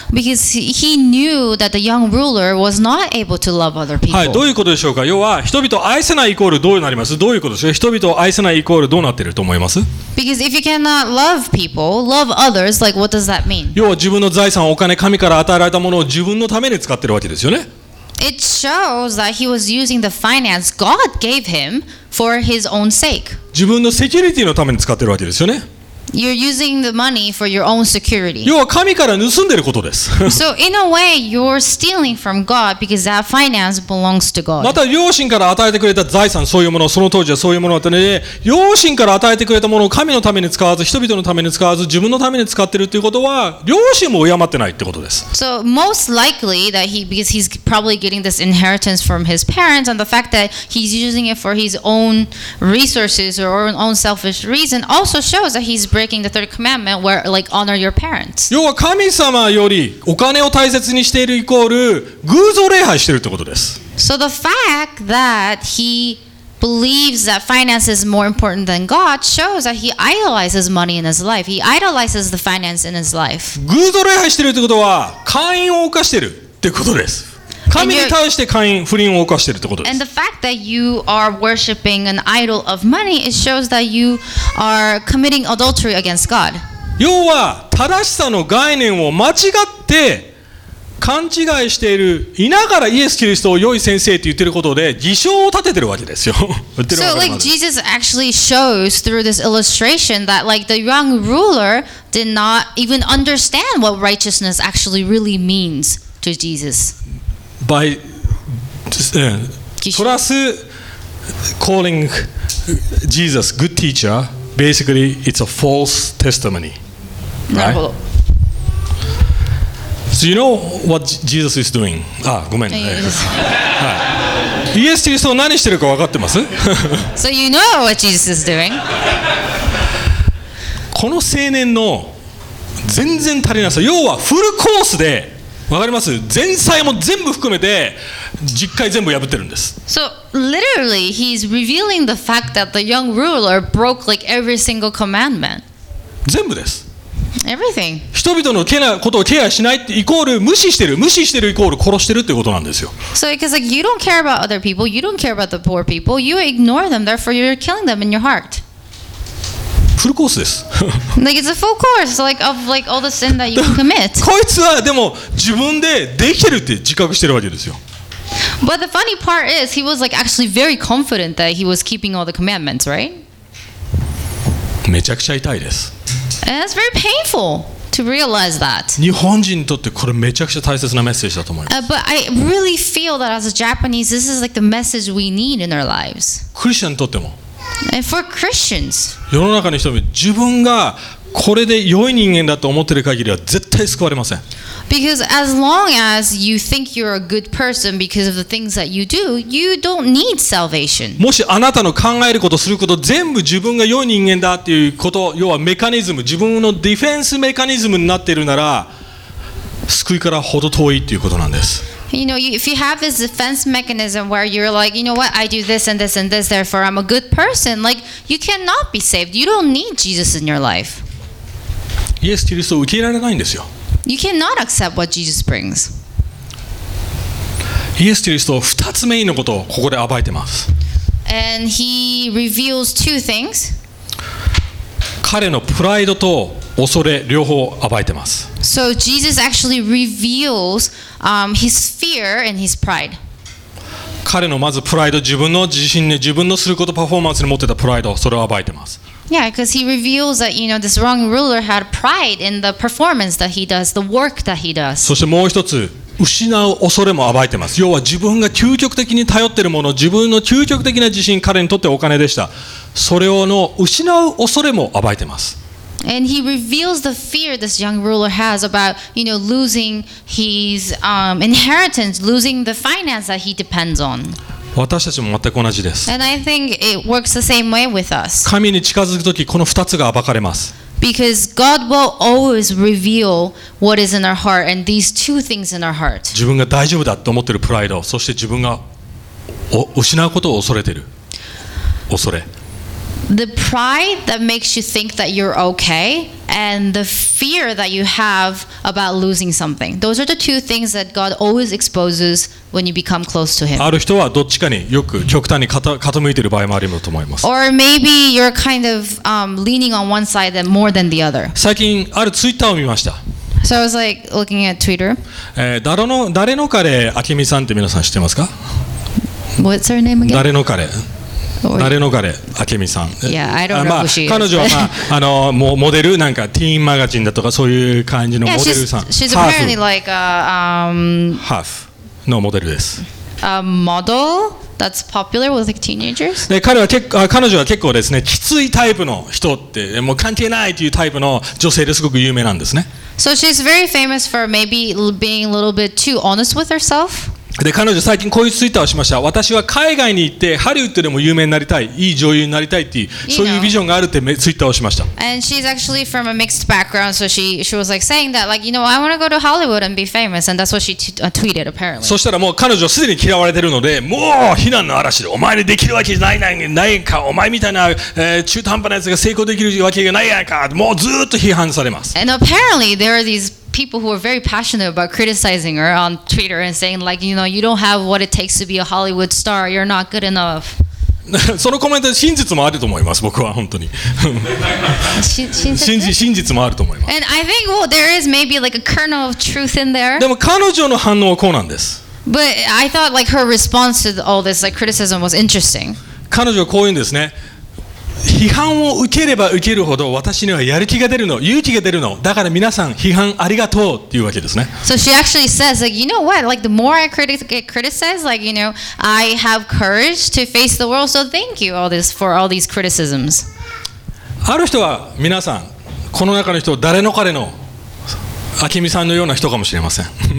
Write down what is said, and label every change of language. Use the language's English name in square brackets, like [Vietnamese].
[English] Because he knew that the young ruler was not able to love other people. [Japanese] はい、どういうことでしょうか。要は人々を愛せないイコールどうなります。どういうことでしょう。人々を愛せないイコールどうなっていると思います。 [English] Because if you cannot love people, love others, like what does that mean? [Japanese] 要は自分の財産、お金、神から与えられたものを自分のために使っているわけですよね。 [English] It shows that he was using the finance God gave him for his own sake. [Japanese] 自分のセキュリティのために使ってるわけですよね。 [English] You're using the money for your own security. [Japanese] 要は神から盗んでることです。 [English] So in a way, you're stealing from God because that finance belongs to God. [Japanese] また両親から与えてくれた財産、そういうもの、その当時はそういうものだったので、両親から与えてくれたものを神のために使わず、人々のために使わず、自分のために使ってるということは、両親も敬ってないってことです。 [English] So most likely that because he's probably getting this inheritance from his parents, and the fact that he's using it for his own resources or own selfish reason also shows that he's breaking the third commandment where like honor your parents. [Japanese] 要は神様よりお金を大切にしているイコール偶像礼拝しているということです。 [English] So the fact that he believes that finance is more important than God shows that he idolizes money in his life. He idolizes the finance in his life. [Japanese] 偶像礼拝しているということは姦淫を犯しているということです。神に対して姦淫、不倫を犯しているということです。 [English] And the fact that you are worshiping an idol of money, it shows that you are committing adultery against God. [Japanese] 要は正しさの概念を間違って勘違いしている、いながらイエス・キリストを良い先生と言っていることで偽証を立てているわけですよ。 [English] So like Jesus actually shows through this illustration that like the young ruler did not even understand what righteousness actually really means to Jesus. By plus calling Jesus good teacher, basically it's a false testimony. Right? So you know what Jesus is doing? [Japanese] Ah, ごめん。イエス・キリストは何してるか分かってます? [English] So you know what Jesus is doing? [Japanese] この青年の全然足りなさ、要はフルコースで。わかります。前菜も全部含めて10回全部破ってるんです。 [English] So literally, he's revealing the fact that the young ruler broke like every single commandment. [Japanese] 全部です。 [English] Everything. [Japanese] 人々のことをケアしないってイコール無視してる、無視してるイコール殺してるってことなんですよ。 [English] So because like you don't care about other people, you don't care about the poor people, you ignore them, therefore you're killing them in your heart. [Japanese] フルコースです。 [English] Like it's a full course, like of like all the sin that you commit. [Japanese] こいつはでも自分でできてるって自覚してるわけですよ。 [English] But the funny part is, he was like actually very confident that he was keeping all the commandments, right? [Japanese] めちゃくちゃ痛いです。 [English] And that's very painful to realize that. [Japanese] 日本人にとってこれめちゃくちゃ大切なメッセージだと思います。 [English] But I really feel that as a Japanese, this is like the message we need in our lives. [Japanese] クリスチャンにとっても。 [English] And for Christians, [Japanese] 世の中の人々、自分がこれで良い人間だと思っている限りは絶対救われません。 [English] Because as long as you think you're a good person because of the things that you do, you don't need salvation. [Japanese] もしあなたの考えること、すること、全部自分が良い人間だっていうこと、要はメカニズム、自分のディフェンスメカニズムになっているなら、救いからほど遠いっていうことなんです。 [English] You know, if you have this defense mechanism where you're like, you know what, I do this and this and this, therefore I'm a good person, like, you cannot be saved. You don't need Jesus in your life. [Japanese] イエス・キリストを受け入れられないんですよ。 [English] You cannot accept what Jesus brings. [Japanese] イエス・キリストは二つ目のことをここで暴いてます。 [English] And he reveals two things. [Japanese] 彼のプライドと恐れ両方暴いてます。 [English] So Jesus actually reveals, his fear and his pride. [Japanese] 彼のまずプライド、自分の自信ね、自分のすること、パフォーマンスに持ってたプライド、それを暴いてます。 [English] Yeah, because he reveals that, you know, this wrong ruler had pride in the performance that he does, the work that he does. [Japanese] そしてもう一つ、失う恐れも暴いてます。要は自分が究極的に頼ってるもの、自分の究極的な自信、彼にとってお金でした。それをの失う恐れも暴いてます。 [English] And he reveals the fear this young ruler has about, you know, losing his inheritance, losing the finance that he depends on. [Japanese] 私たちも全く同じです。 [English] And I think it works the same way with us. [Japanese] 神に近づくとき、この二つが暴かれます。 [English] Because God will always reveal what is in our heart and these two things in our heart. [Japanese] 自分が大丈夫だと思ってるプライド、そして自分が失うことを恐れてる。恐れ。 [English] The pride that makes you think that you're okay and the fear that you have about losing something. Those are the two things that God always exposes when you become close to Him. [Japanese] ある人はどっちかによく極端に傾いている場合もあると思います。 [English] Or maybe you're kind of leaning on one side more than the other. [Japanese] 最近あるツイッターを見ました。 [English] So I was like looking at Twitter. [Japanese] 誰の彼、あきみさんって皆さん知ってますか? [English] What's her name again? [Japanese] 誰の彼?誰の彼、あけみさん。 [English] Yeah, I don't know who she is. [Japanese] 彼女は、まあ、あのもうモデル、なんかティーンマガジンだとかそういう感じのモデルさん。 [English] Yeah, she's apparently like a [Japanese] half のモデルです。 [English] A model that's popular with like teenagers? [Japanese] で、彼女は結構ですね、きついタイプの人って、もう関係ないというタイプの女性ですごく有名なんですね。 [English] So she's very famous for maybe being a little bit too honest with herself? [Japanese] で彼女最近こういうツイッターをしました。私は海外に行ってハリウッドでも有名になりたい、いい女優になりたいっていう、そういうビジョンがあるってツイッターをしました。 [English] And she's actually from a mixed background, so she was like saying that, like, you know, I want to go to Hollywood and be famous, and that's what she tweeted apparently. [Japanese] そしたらもう彼女すでに嫌われてるので、もう非難の嵐で、お前にできるわけないないないか、お前みたいな、中途半端なやつが成功できるわけがないやんか、もうずっと批判されます。 [English] And apparently there are these. People who are very passionate about criticizing her on Twitter and saying, like, you know, you don't have what it takes to be a Hollywood star. You're not good enough. [Japanese] そのコメントに真実もあると思います。僕は本当に。真実もあると思います。 [English] And I think, well, there is maybe like a kernel of truth in there. [Japanese] でも彼女の反応はこうなんです。 [English] But I thought like her response to all this, like criticism, was interesting. [Japanese] 彼女はこう言うんですね。批判を受ければ受けるほど私にはやる気が出るの、勇気が出るの。だから皆さん批判ありがとうっていうわけですね。 [English] So she actually says, like, you know what? Like, the more I get criticized, like, you know, I have courage to face the world. So thank you all this for all these criticisms. [Japanese] ある人は皆さん、この中の人誰の彼の、あきみさんのような人かもしれません。